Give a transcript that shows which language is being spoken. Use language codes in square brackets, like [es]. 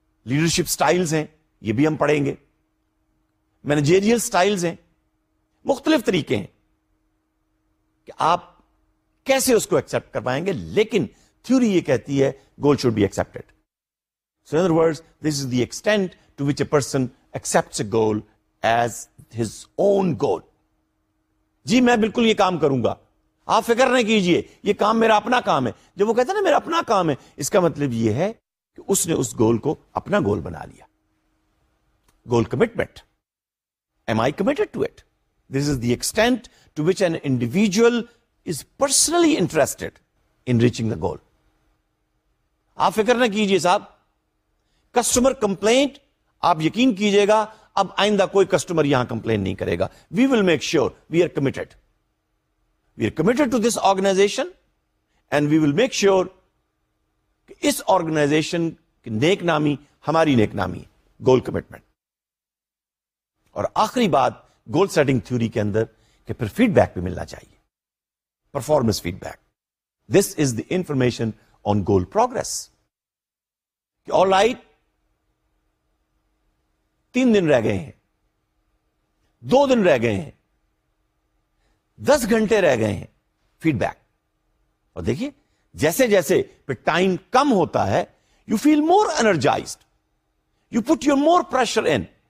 [ur] Leadership styles ہیں، یہ بھی ہم پڑھیں گے. مینیجیریل سٹائلز ہیں، مختلف طریقے ہیں کہ آپ کیسے اس کو ایکسپٹ کر پائیں گے، لیکن تھیوری یہ کہتی ہے [en] Goal should be expected. So in other words, this is the extent to which a person accepts a goal as his own goal. [ur] جی میں بالکل یہ کام کروں گا، آپ فکر نہ کیجئے، یہ کام میرا اپنا کام ہے. جب وہ کہتا ہے نا میرا اپنا کام ہے، اس کا مطلب یہ ہے کہ اس نے اس گول کو اپنا گول بنا لیا. [en] Goal commitment, am I committed to it? This is the extent to which an individual is personally interested in reaching the goal. [ur] آپ فکر نہ کیجئے صاحب، کسٹمر کمپلینٹ، آپ یقین کیجئے گا اب آئندہ کوئی کسٹمر یہاں کمپلین نہیں کرے گا. [en] we will make sure we are committed, we are committed to this organization, and we will make sure [ur] اس organization کی نیک نامی ہماری نیک نامی. [en] Goal commitment. [ur] اور آخری بات گول سیٹنگ تھیوری کے اندر، کہ پھر فیڈ بیک بھی ملنا چاہیے، performance feed back. [en] This is the information on goal progress. All right, [ur] تین دن رہ گئے ہیں، دو دن رہ گئے ہیں، 10 گھنٹے رہ گئے ہیں، فیڈ بیک. اور دیکھیے جیسے جیسے ٹائم کم ہوتا ہے، [en] You feel more energized, you put your more pressure in.